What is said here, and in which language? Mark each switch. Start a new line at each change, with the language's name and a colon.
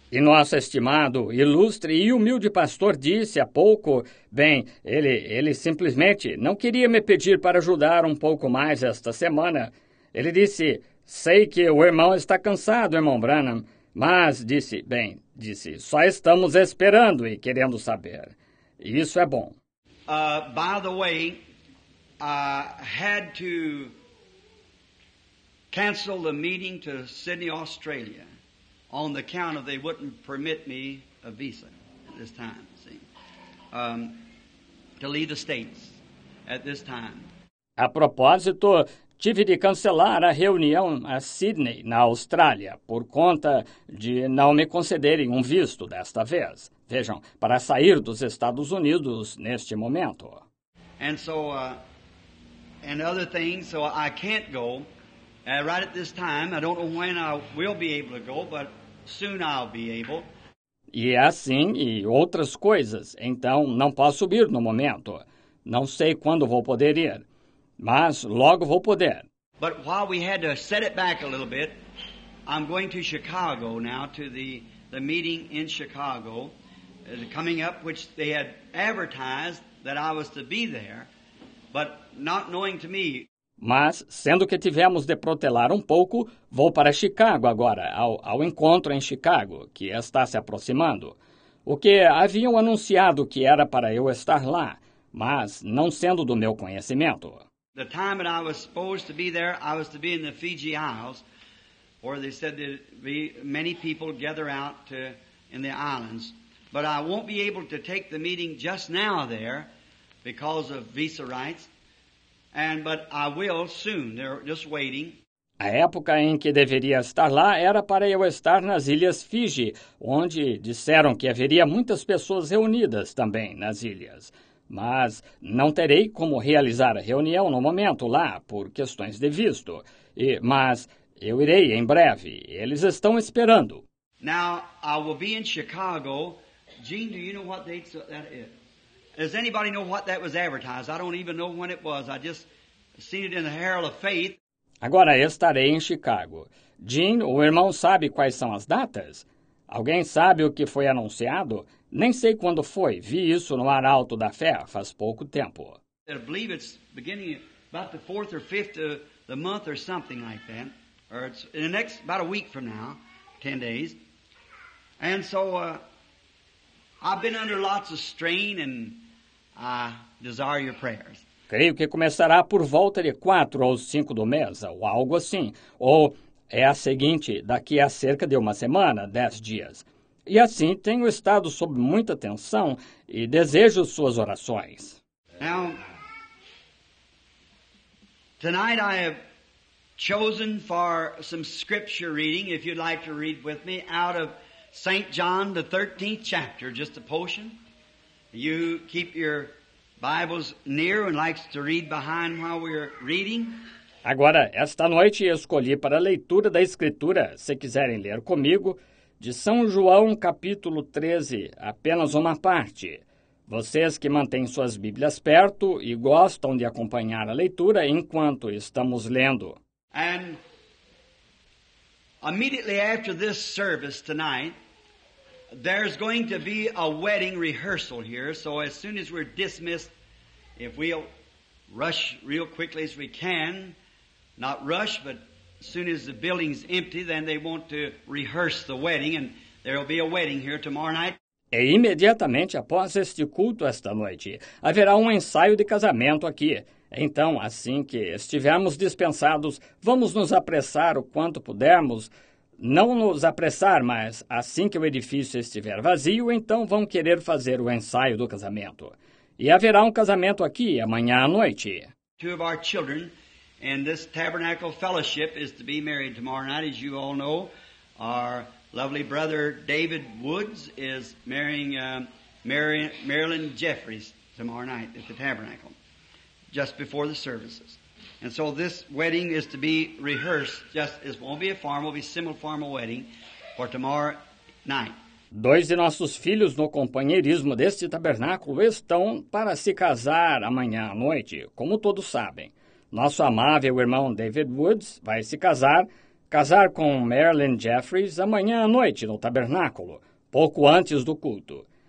Portuguese: E nosso estimado, ilustre e humilde pastor disse há pouco, bem, ele simplesmente não queria me pedir para ajudar um pouco mais esta semana. Ele disse, sei que o irmão está cansado, irmão Branham, mas disse, só estamos esperando e querendo saber. E isso é bom.
English: By the way, had to cancel the meeting to Sydney, Australia. On the count of they wouldn't permit me a visa this time, see, to leave the States at this time.
Portuguese: A propósito, tive de cancelar a reunião a Sydney, na Austrália, por conta de não me concederem um visto desta vez. Vejam, para sair dos Estados Unidos neste momento.
English: And so, and other things, so I can't go right at this time. I don't know when I will be able to go, but soon I'll be able.
Portuguese: E assim e outras coisas. Então, não posso ir no momento. Não sei quando vou poder ir. Mas logo vou poder.
English: But while we had to set it back a little bit, I'm going to Chicago now to the meeting in Chicago coming up, which they had advertised that I was to be there, but not knowing to me.
Portuguese: Mas, sendo que tivemos de protelar um pouco, vou para Chicago agora, ao encontro em Chicago, que está se aproximando. O que haviam anunciado que era para eu estar lá, mas não sendo do meu conhecimento.
English: The time that I was supposed to be there, I was to be in the Fiji Isles, where they said there'd be many people gather out to, in the islands. But I won't be able to take the meeting just now there, because of visa rights. But I will soon. They're just waiting.
Portuguese: A época em que deveria estar lá era para eu estar nas Ilhas Fiji, onde disseram que haveria muitas pessoas reunidas também nas ilhas. Mas não terei como realizar a reunião no momento lá, por questões de visto. Mas eu irei em breve. Eles estão esperando.
English: Now, I will be in Chicago. Gene, do you know what date that is? Does anybody know what that was advertised? I don't even know when it was. I just seen it in the Herald of Faith.
Portuguese: Agora estarei em Chicago. Jean, o irmão sabe quais são as datas? Alguém sabe o que foi anunciado? Nem sei quando foi. Vi isso no Arauto da Fé faz pouco tempo.
English: I believe it's beginning about the 4th or 5th the month or something like that, or it's in the next, about a week from now, 10 days. And so I've been under lots of strain and I desire your prayers.
Portuguese: Creio que começará por volta de 4 ou 5 do mês, ou algo assim. Ou é a seguinte, daqui a cerca de uma semana, 10 dias. E assim, tenho estado sob muita tensão e desejo suas orações.
English: Now, tonight I have chosen for some scripture reading, if you'd like to read with me, out of St. John, the 13th chapter, just a portion. You keep your Bibles near and likes to read behind while we're reading.
Portuguese: Agora, esta noite, eu escolhi para a leitura da Escritura, se quiserem ler comigo, de São João, capítulo 13, apenas uma parte. Vocês que mantêm suas Bíblias perto e gostam de acompanhar a leitura enquanto estamos lendo.
English: And immediately after this service tonight, there's going to be a wedding rehearsal here, so as soon as we're dismissed, if we'll rush real quickly as we can, not rush, but as soon as the building's empty, then they want to rehearse the wedding, and there'll be a wedding here tomorrow night.
Portuguese: E imediatamente após este culto esta noite, haverá um ensaio de casamento aqui. Então, assim que estivermos dispensados, vamos nos apressar o quanto pudermos. Não nos apressar, mas assim que o edifício estiver vazio, então vão querer fazer o ensaio do casamento. E haverá um casamento aqui amanhã à noite.
English: Two of our children in this tabernacle fellowship is to be married tomorrow night, as you all know. Our lovely brother David Woods is marrying Marilyn Jeffries tomorrow night at the tabernacle, just before the services. And so this wedding is to be rehearsed, just it won't be a formal, it'll be a simple formal wedding for tomorrow night.
Portuguese: Dois de nossos filhos no companheirismo deste tabernáculo estão para se casar amanhã à noite, como todos sabem. Nosso amável irmão David Woods vai se casar com Marilyn Jeffries amanhã à noite no tabernáculo, pouco antes do culto.